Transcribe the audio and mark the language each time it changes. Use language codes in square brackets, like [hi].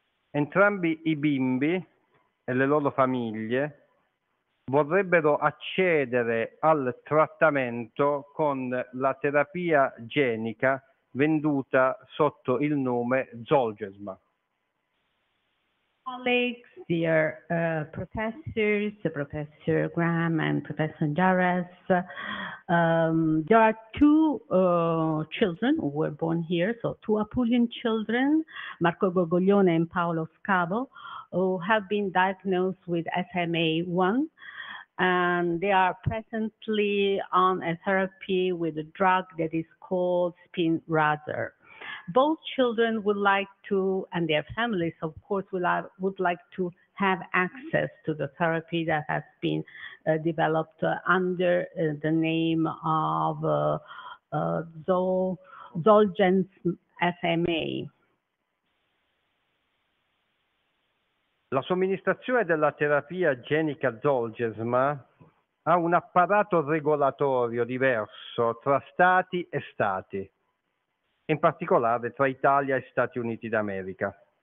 [it] Entrambi i bimbi e le loro famiglie vorrebbero accedere al trattamento con la terapia genica venduta sotto il nome Zolgensma. [en] Colleagues, dear professors, Professor Graham and Professor Jarrez, there are two children who were born here, so two Apulian children, Marco Gorgoglione and Paolo Scavo, who have been diagnosed with SMA1, and they are presently on a therapy with a drug that is called Spinraza. Both children would like to, and their families, of course, would like to have access to the therapy that has been developed under the name of Zolgensma SMA. [it] La somministrazione della terapia genica Zolgensma ha un apparato regolatorio diverso tra stati e stati, in particolare tra Italia e Stati Uniti d'America.